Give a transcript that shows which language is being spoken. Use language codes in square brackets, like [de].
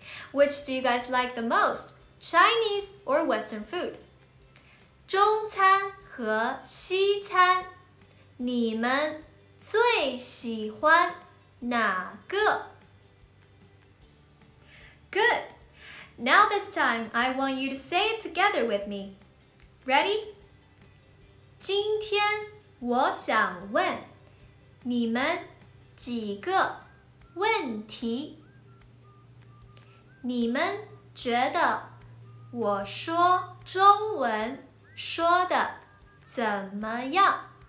[en] Which do you guys like the most? Chinese or Western food? [zh] 中餐和西餐,你们最喜欢哪个? [en] Good! Now this time, I want you to say it together with me. Ready? [zh] 今天我想问你们几个问题。你们觉得我说中文说的怎么样？